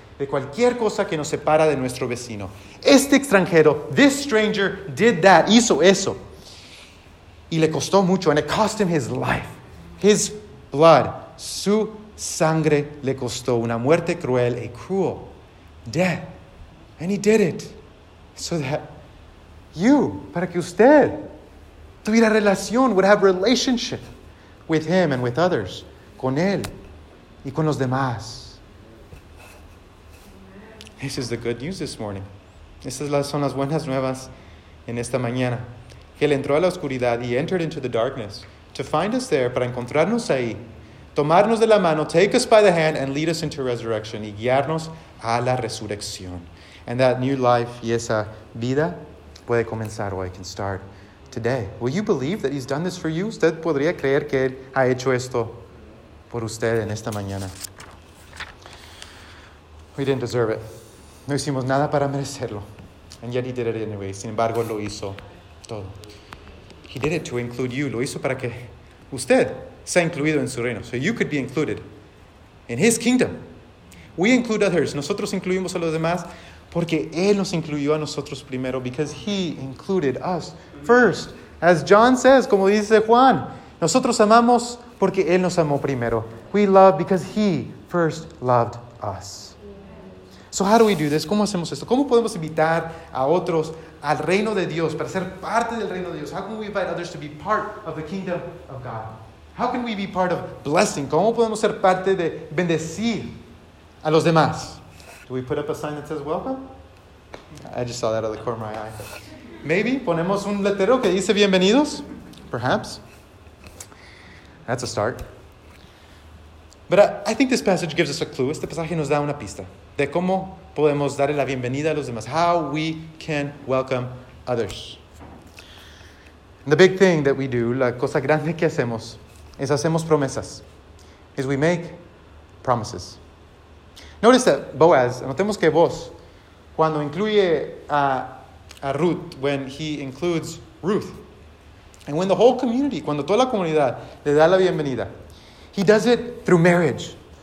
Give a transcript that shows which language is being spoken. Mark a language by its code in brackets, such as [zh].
[es] De cualquier cosa que nos separa de nuestro vecino. Este extranjero, [en] this stranger, did that, [es] hizo eso. Y le costó mucho, [en] and it cost him his life. His blood, [es] su sangre le costó una muerte cruel, [en] a cruel death. And he did it so that you, [es] para que usted tuviera relación, [en] would have relationship with him and with others, [es] con él y con los demás. [en] This is the good news this morning. [es] Estas son las buenas nuevas en esta mañana. Él entró a la oscuridad, [en] he entered into the darkness to find us there, [es] para encontrarnos ahí. Tomarnos de la mano, [en] take us by the hand, and lead us into resurrection. [es] Y guiarnos a la resurrección. [en] And that new life [es] y esa vida puede comenzar hoy. [en] Can start today. Will you believe that he's done this for you? [es] ¿Usted podría creer que él ha hecho esto por usted en esta mañana? [en] We didn't deserve it. [es] No hicimos nada para merecerlo. [en] And yet he did it anyway. [es] Sin embargo, lo hizo todo. [en] He did it to include you. [es] Lo hizo para que usted sea incluido en su reino. [en] So you could be included in his kingdom. We include others. [es] Nosotros incluimos a los demás porque él nos incluyó a nosotros primero. [en] Because he included us first. As John says, [es] como dice Juan, nosotros amamos porque él nos amó primero. [en] We love because he first loved us. So how do we do this? [es] ¿Cómo hacemos esto? ¿Cómo podemos invitar a otros al reino de Dios para ser parte del reino de Dios? [en] How can we invite others to be part of the kingdom of God? How can we be part of blessing? [es] ¿Cómo podemos ser parte de bendecir a los demás? [en] Do we put up a sign that says welcome? I just saw that out of the corner of my eye. [es] Maybe ponemos un letrero que dice bienvenidos. [en] Perhaps. That's a start. But I think this passage gives us a clue. [es] Este pasaje nos da una pista de cómo podemos darle la bienvenida a los demás. [en] How we can welcome others. The big thing that we do, [es] la cosa grande que hacemos, es hacemos promesas. [en] Is we make promises. Notice that Boaz, [es] notemos que vos, cuando incluye a Ruth, [en] when he includes Ruth, and when the whole community, [es] cuando toda la comunidad le da la bienvenida, [en] he does it through marriage.